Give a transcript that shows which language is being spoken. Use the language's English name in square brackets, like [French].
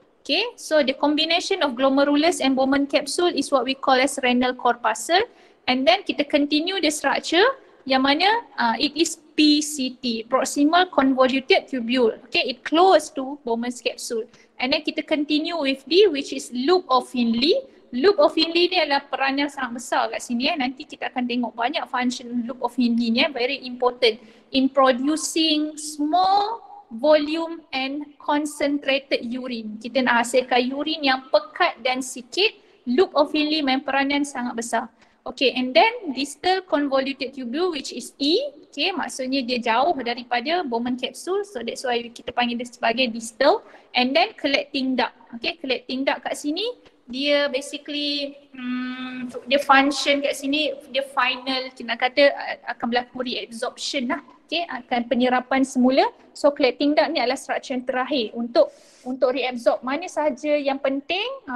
[English] Okay, so the combination of glomerulus and Bowman capsule is what we call as renal corpuscle. And then [Malay] kita [English] continue the structure [Malay] yang mana [English] it is PCT, proximal convoluted tubule. Okay, it close to Bowman's capsule. And then [Malay] kita [English] continue with D, which is loop of Henle. [Malay] Loop of Henle ni adalah peran yang sangat besar kat sini eh. Nanti kita akan tengok banyak function loop of Henle ni eh. [English] Very important in producing small volume and concentrated urine. [Malay] Kita nak hasilkan urine yang pekat dan sikit. Loop of Henle main peran yang sangat besar. [English] Okay, and then distal convoluted tubule which is E. [Malay] Okay, maksudnya dia jauh daripada Bowman capsule. [English] So that's why [Malay] kita panggil dia sebagai distal. [English] And then collecting duct. [Malay] Okay, collecting duct kat sini dia basically dia function kat sini, dia final kita nak kata akan berlaku reabsorption lah. Okay, akan penyerapan semula. So collecting duct ni adalah structure yang terakhir untuk reabsorb mana sahaja yang penting.